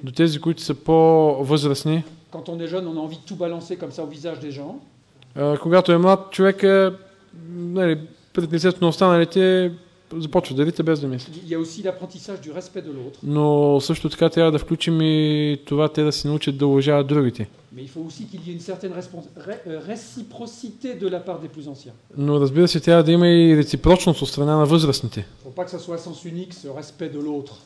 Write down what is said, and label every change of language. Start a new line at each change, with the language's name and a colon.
Bulgarian: До тези, които са по-възрастни.
French: Quand on est jeune, on a envie de tout balancer comme ça au visage des gens.
Bulgarian: Когато е млад човек, нали, пред лицето на останалите започва да рита без да мисли.
French: Il y a aussi l'apprentissage du respect de l'autre.
Bulgarian: Но също така трябва да включим и това те да се научат да уважават другите.
French: Mais il faut aussi qu'il y ait une certaine réciprocité de la part des plus anciens.
Bulgarian: Но разбира се, трябва да има и реципрочност от страна на възрастните.
French: Faut pas que ça soit sens unique, ce respect de l'autre.